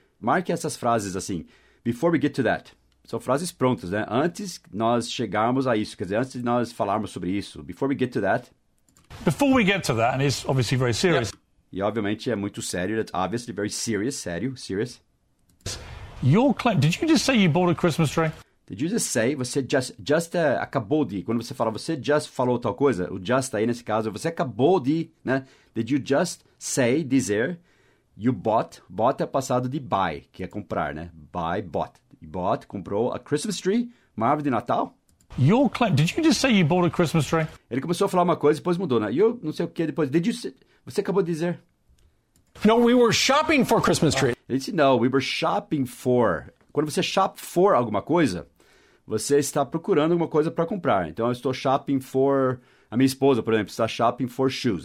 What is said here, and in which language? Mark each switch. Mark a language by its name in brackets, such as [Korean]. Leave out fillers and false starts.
[Portuguese] Marque essas frases assim, [English] before we get to that. [Portuguese] São frases prontas, né? Antes nós chegarmos a isso, quer dizer, antes de nós falarmos sobre isso. [English] Before we get to that... Before we get to that, and it's obviously very serious. [Portuguese] Yep. E obviamente é muito sério, [English] it's obviously very serious, [Portuguese] sério, serious. [English] Your claim, did you just say you bought a Christmas tree? Did you just say, [Portuguese] você just acabou de, quando você fala, você just falou tal coisa, o just aí nesse caso, você acabou de, né? [English] Did you just say, dizer, you bought, bought é passado de buy, [Portuguese] que é comprar, né? [English] Buy, bought. You bought, comprou a Christmas tree, [Portuguese] uma árvore de Natal? [English] Your claim, did you just say you bought a Christmas tree? [Portuguese] Ele começou a falar uma coisa e depois mudou, né? You, não sei o que, depois, [English] did you say, [Portuguese] você acabou de dizer. [English] No, we were shopping for a Christmas tree. [Portuguese] Ele disse, no, [English] we were shopping for, [Portuguese] quando você shop for alguma coisa, você está procurando alguma coisa para comprar. Então, eu estou shopping for... A minha esposa, por exemplo, está shopping for shoes.